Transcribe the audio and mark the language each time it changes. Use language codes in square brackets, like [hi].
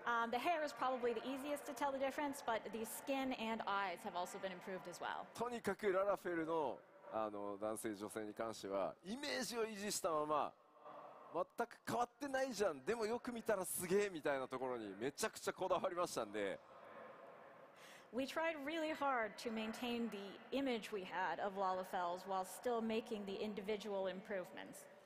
[en] The hair is probably the easiest to tell the difference, but the skin and eyes have also been improved as well. [ja] とにかくララフェルのあの男性女性に関してはイメージを維持したまま全く変わってないじゃん。でもよく見たらすげえみたいなところにめちゃくちゃこだわりましたんで。 [en] We tried really hard to maintain the image we had of Lalafells while still making the individual improvements.